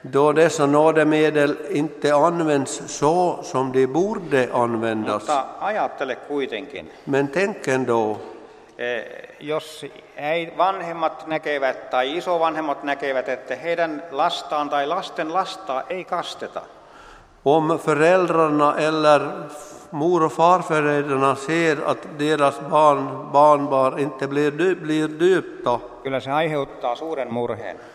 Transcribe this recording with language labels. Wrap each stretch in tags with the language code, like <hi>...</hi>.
<sv>Då dessa nådemedel inte används så som de borde användas.</sv> <fi>Mutta ajattele kuitenkin.</fi> <sv>Men tänk ändå.</sv> <fi>Jos vanhemmat näkevät tai isovanhemmat näkevät, että heidän lastaan tai lasten lastaa ei kasteta.</fi> <sv>Om föräldrarna eller mor och farföräldrarna ser att deras barnbarn inte blir döpta.</sv> <fi>Kyllä se aiheuttaa suuren murheen.</fi>